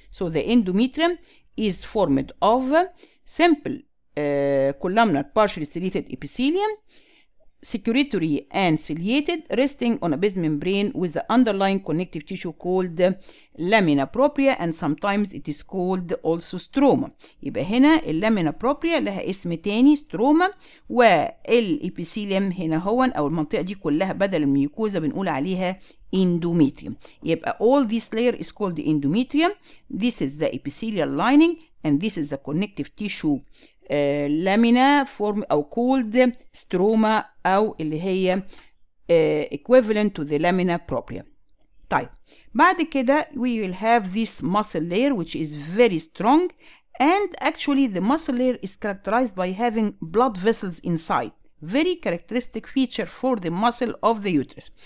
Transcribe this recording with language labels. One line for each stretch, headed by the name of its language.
English: So the endometrium is formed of simple columnar partially ciliated epithelium, secretory and ciliated, resting on a basemembrane with the underlying connective tissue called lamina propria, and sometimes it is called also stroma.
Arabic: يبقى هنا اللامينا propria لها اسم تاني stroma, والepithelium هنا هو أو المنطقة دي كلها بدل الميوكوزا بنقول عليها endometrium. يبقى
English: all this layer is called the endometrium. This is the epithelial lining and this is the connective tissue lamina form او called stroma
Arabic: او اللي هي
English: equivalent to the lamina propria.
Arabic: طيب بعد كده
English: we will have this muscle layer which is very strong, and actually the muscle layer is characterized by having blood vessels inside, very characteristic feature for the muscle of the uterus.